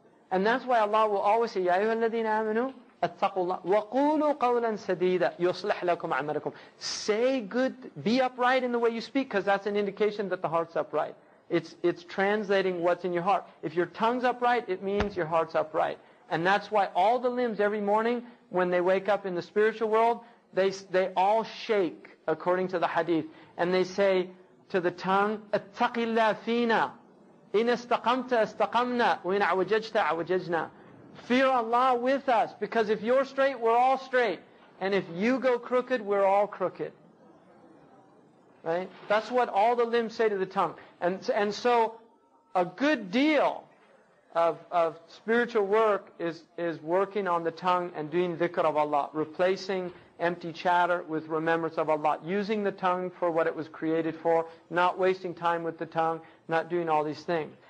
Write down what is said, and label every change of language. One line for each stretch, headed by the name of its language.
English: And that's why Allah will always say,
Arabic: يَا أَيُّهَا الَّذِينَ آمَنُوا أَتَّقُوا اللَّهِ وَقُولُوا قَوْلًا سَدِيدًا يُصْلِحْ لَكُمْ عَمَلَكُمْ.
English: Say good, be upright in the way you speak, because that's an indication that the heart's upright. It's translating what's in your heart. If your tongue's upright, it means your heart's upright. And that's why all the limbs every morning, when they wake up in the spiritual world, they all shake according to the hadith. And they say to the tongue,
Arabic: أَتَّقِ اللَّهِ فِينَا إِنْ أَسْتَقَمْتَ أَسْتَقَمْنَا وَإِنْ عَوَجَجْتَ عَوَجَجْنَا.
English: Fear Allah with us, because if you're straight, we're all straight. And if you go crooked, we're all crooked. Right? That's what all the limbs say to the tongue. And so a good deal of spiritual work is working on the tongue and doing dhikr of Allah, replacing empty chatter with remembrance of Allah, using the tongue for what it was created for, not wasting time with the tongue, not doing all these things.